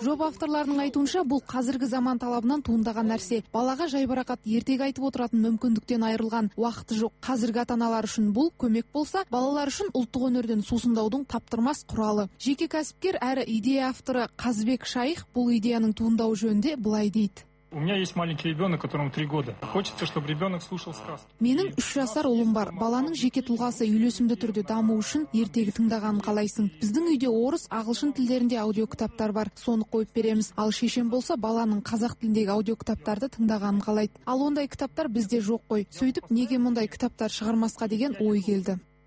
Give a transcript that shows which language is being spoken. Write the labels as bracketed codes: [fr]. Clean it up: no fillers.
[kk] Жоба авторларының айтуынша, бұл қазіргі заман талабынан туындаған нәрсе. Балаға жайбарақат ертек айтып отыратын мүмкіндіктен айырылған уақыты жоқ. Қазіргі ата-аналар үшін бұл көмек болса, балалар үшін ұлттық өнерден сусындаудың таптырмас құралы. Жеке кәсіпкер әрі идея авторы Қазбек Шайх бұл идеяның туындауы жөнінде былай дейді. [ru] У меня есть маленький ребенок, которому 3 года. Хочется, чтобы ребенок слушал сказки. [kk] Менің 3 жасар ұлым бар. Баланың жеке тұлғасы үйлесімді түрде дамуы үшін ертегі тыңдаған қалайсың. Біздің үйде орыс, ағылшын тілдерінде аудиокітаптар бар. Соны қойып береміз. Ал шешен болса, баланың қазақ тіліндегі аудиокітаптарды тыңдағанын қалайды. Ал ондай кітаптар бізде жоқ қой. Сөйтіп неге мындай кітаптар шығармасқа деген ой келді.